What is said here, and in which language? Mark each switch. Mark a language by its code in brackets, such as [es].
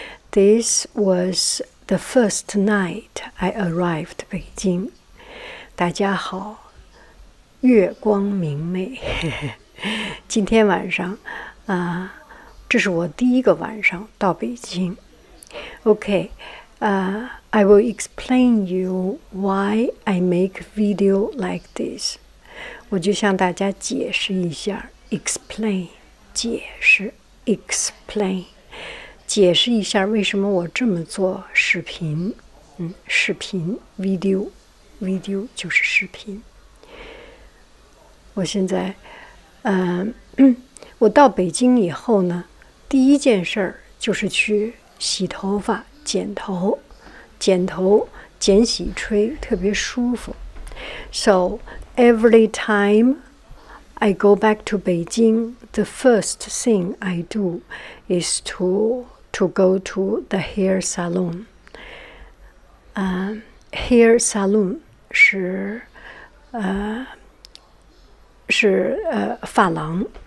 [en] This was the first night I arrived in Beijing. [zh] 大家好,月光明媚。今天晚上,这是我第一个晚上到北京。 [en] Okay, I will explain you why I make video like this. [zh] 我就向大家解释一下 ,explain, 解释 ,explain, 解释一下为什么我这么做视频,视频 ,video, video 就是视频。我现在我到北京以后呢第一件事儿就是去洗头发剪头。剪头剪洗吹特别舒服。 [en] So, every time I go back to Beijing, the first thing I do is to go to the hair salon. [zh] Hair salon 是发廊。